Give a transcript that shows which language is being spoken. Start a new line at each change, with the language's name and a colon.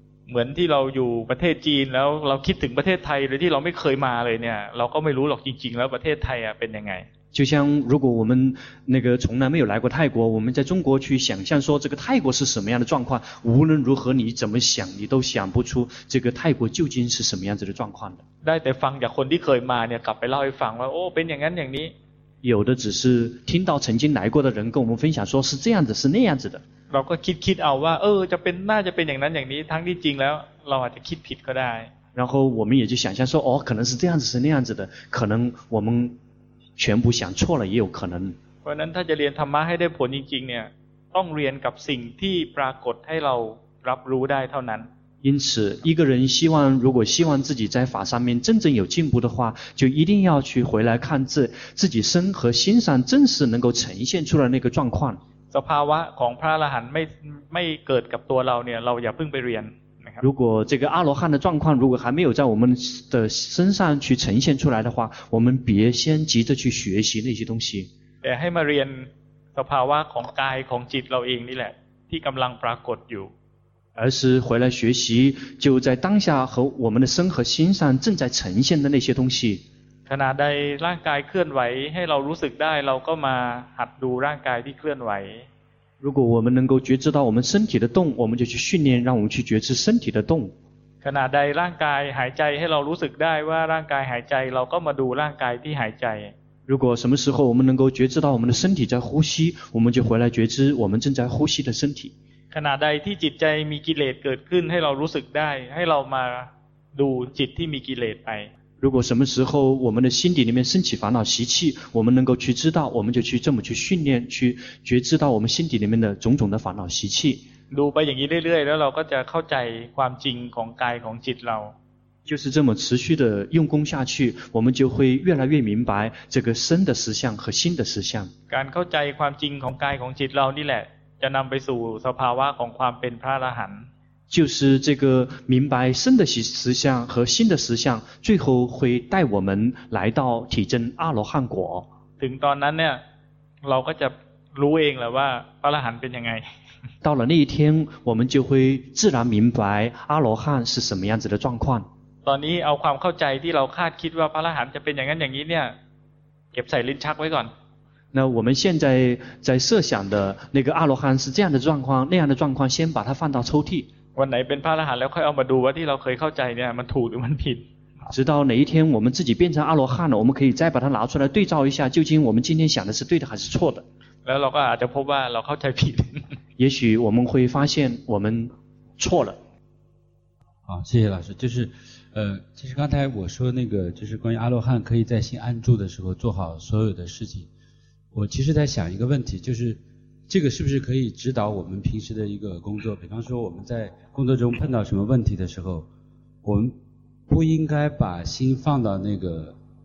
Thai: เหมือนที่เราอยู่ประเทศจีนแล้วเราคิดถึงประเทศไทยโดยที่เราไม่เคยมาเลยเนี่ยเราก็ไม่รู้หรอกจริงๆแล้วประเทศไทยเป็นยังไง
Chinese: 就像如果我们那个从来没有来过泰国我们在中国去想象说这个泰国是什么样的状况无论如何你怎么想你都想不出这个泰国究竟是什么样子的状况的
Thai: ได้แต่ฟังจากคนที่เคยมาเนี่ยกลับไปเล่าให้ฟังว่าโอ้เป็นอย่างนั้นอย่างนี้
Chinese: 有的只是听到曾经来过的人跟我们分享说是这样子是那样子的
Thai: เราก็คิดเอาว่าจะเป็นน่าจะเป็นอย่างนั้นอย่างนี้ทั้งที่จริงแล้วเราอาจจะคิดผิดก็ได้
Chinese: 然后我们也就想象说哦可能是这样子是那样子的可能我们全部想错了也有可能
Thai: เพราะนั้นถ้าจะเรียนธรรมะให้ได้ผลจริงๆเนี่ยต้องเรียนกับสิ่งที่ปรากฏให้เรารับรู้ได้เท่านั้น
Chinese: 因此一个人希望如果希望自己在法上面真正有进步的话就一定要去回来看自己身和心上真实能够呈现出来那个状况
Thai: สภาวะของพระอรหันต์ไม่เกิดกับตัวเราเนี่ยเราอย่าเพิ่งไปเรียน
Chinese: 如果这个阿罗汉的状况如果还没有在我们的身上去呈现出来的话我们别先急着去学习那些东西
Thai: แต่ให้มาเรียนสภาวะของกายของจิตเราเองนี่แหละที่กำลังปรากฏอยู่อะ
Chinese: 而是回来学习就在当下和我们的身和心上正在呈现的那些东西
Thai: ขณะใดร่างกายเคลื่อนไหวให้เรารู้สึกได้เราก็มาหัดดูร่างกายที่เคลื่อนไหว
Chinese: 如果我们能够觉知到我们身体的动我们就去训练让我们去觉知身体的动
Thai: ขณะใดร่างกายหายใจให้เรารู้สึกได้ว่าร่างกายหายใจเราก็มาดูร่างกายที่หายใจ
Chinese: 如果什么时候我们能够觉知到我们的身体在呼吸我们就回来觉知我们正在呼吸的身体
Thai: ขณะใดที่จิตใจมีกิเลสเกิดขึ้นให้เรารู้สึกได้ให้เรามาดูจิตที่มีกิเลสไป
Chinese: 如果什么时候我们的心底里面升起烦恼习气我们能够去知道我们就去这么去训练去觉知到我们心底里面的种种的烦恼习气
Thai: ดูไปอย่างนี้เรื่อยๆแล้วเราก็จะเข้าใจความจริงของกายของจิตเรา
Chinese: 就是这么持续的用功下去我们就会越来越明白这个身的实相和心的实相
Thai: การเข้าใจความจริงของกายของจิตเรานี่แหละจะนำไปสู่สภาวะของความเป็นพระอรหันต์
Chinese: 就是这个明白身的实相和心的实相最后会带我们来到体证阿罗汉果
Thai: ถึงตอนนั้นเนี่ยเราก็จะรู้เองแหละว่าพระอรหันต์เป็นยังไง
Chinese: 到了那一天我们就会自然明白阿罗汉是什么样子的状况
Thai: ตอนนี้เอาความเข้าใจที่เราคาดคิดว่าพระอรหันต์จะเป็นอย่างนั้นอย่างนี้เนี่ยเก็บใส่ลิ้นชักไว้ก่อน
Chinese: 那我们现在在设想的那个阿罗汉是这样的状况那样的状况先把它放到抽屉
Thai: วันไหนเป็นพระอรหันต์แล้วค่อยเอามาดูว่าที่เราเคยเข้าใจเนี่ยมันถูกหรือมันผิด
Chinese: 直到哪一天我们自己变成阿罗汉了我们可以再把它拿出来对照一下究竟我们今天想的是对的还是错的
Thai: แล้วเราก็อาจจะพบว่าเราเข้าใจผิด
Chinese: 也许我们会发现我们错了好谢谢老师就是其实刚才我说那个就是关于阿罗汉可以在心安住的时候做好所有的事情我其实在想一个问题就是这个是不是可以指导我们平时的一个工作比方说我们在工作中碰到什么问题的时候我们不应该把心放到那个